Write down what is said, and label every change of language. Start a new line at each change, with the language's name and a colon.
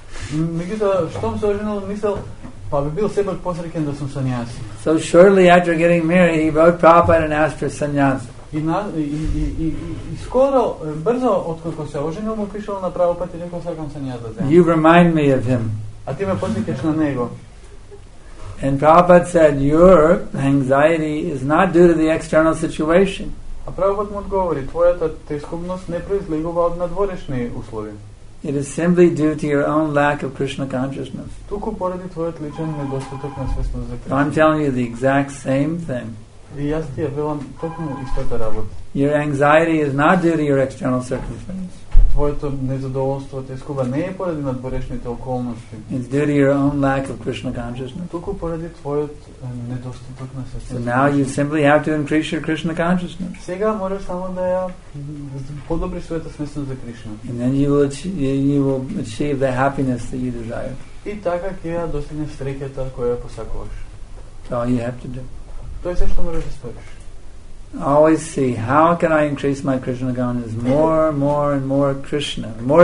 Macedonian: Меѓутоа, штом се оженил, мислел, па би бил сепак посреќен да сум сануаси.
English: So, shortly after getting married, he wrote Prabhupada and asked for sannyas.
Macedonian: И скоро, брзо, откако се оженил, му пишел на Прабхупад и рекол, сакам сануас да земам.
English: You remind me of him.
Macedonian: А ти ме подсеќаш на него.
English: And Prabhupada said, your anxiety is not due to the external situation.
Macedonian: А Прабхупад му одговори, твојата тескобност не произлегува од надворешни услови.
English: It is simply due to your own lack of Krishna consciousness.
Macedonian: Туку поради твојот личен недостаток на свесност за Кришна.
English: I'm telling you the exact same thing.
Macedonian: И јас ти ја велам токму истата работа.
English: Your anxiety is not due to your external circumstances.
Macedonian: Твоето незадоволство те скуба не е поради надворешните околности.
English: It's due to your own lack of Krishna consciousness.
Macedonian: Туку поради твојот недостаток на сестра.
English: So now you simply have to increase your Krishna consciousness.
Macedonian: Сега мора само да ја подобри својата свесност за Кришна.
English: And then you will achieve the happiness that you desire.
Macedonian: И така ќе ја достигнеш среќата која посакуваш.
English: So all you have to do.
Macedonian: Тоа е се што мора да сториш.
English: Always see how can I increase my Krishna consciousness more and more Krishna.